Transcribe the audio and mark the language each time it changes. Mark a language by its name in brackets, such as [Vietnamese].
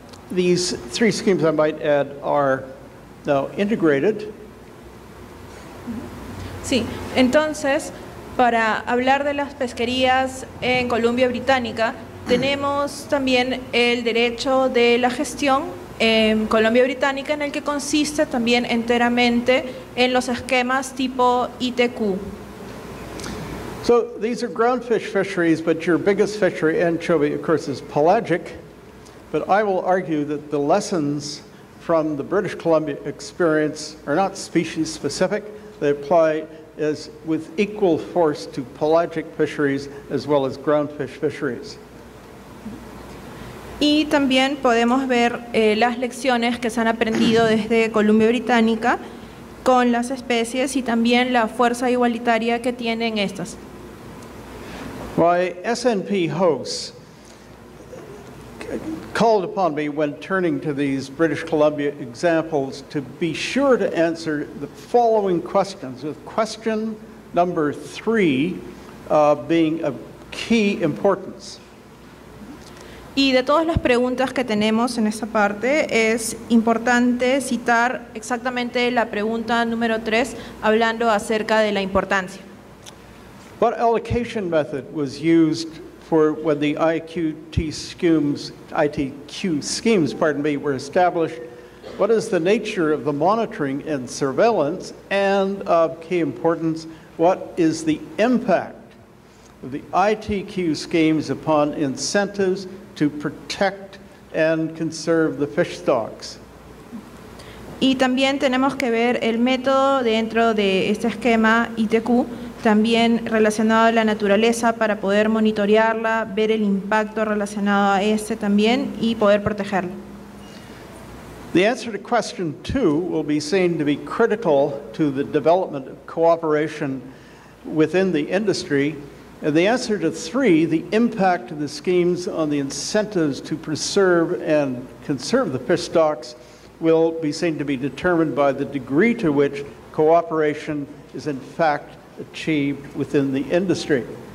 [English] These three schemes, I might add, are now integrated. [Spanish] Sí, entonces, para hablar de las pesquerías en Columbia Británica, tenemos también el derecho de la gestión en Columbia Británica, en el que consiste también enteramente en los esquemas tipo ITQ. [English] So these are groundfish fisheries, but your biggest fishery, anchovy, of course, is pelagic. But I will argue that the lessons from the British Columbia experience are not species specific. They apply as with equal force to pelagic fisheries as well as groundfish fisheries. [Spanish] Y también podemos ver las lecciones que se han aprendido desde Columbia Británica con las especies y también la fuerza igualitaria que tienen estas. [English] My SNP hosts called upon me when turning to these British Columbia examples to be sure to answer the following questions, with question number three being of key importance. [Spanish] Y de todas las preguntas que tenemos en esta parte, es importante citar exactamente la pregunta número tres, hablando acerca de la importancia. [English] What allocation method was used for when the ITQ schemes, were established? What is the nature of the monitoring and surveillance? And of key importance, what is the impact of the ITQ schemes upon incentives to protect and conserve the fish stocks? [Spanish] Y también tenemos que ver el método dentro de este esquema ITQ, también relacionado a la naturaleza para poder monitorearla, ver el impacto relacionado a este también y poder protegerlo. [English] The answer to question two will be seen to be critical to the development of cooperation within the industry. And the answer to three, the impact of the schemes on the incentives to preserve and conserve the fish stocks, will be seen to be determined by the degree to which cooperation is in fact achieved within the industry.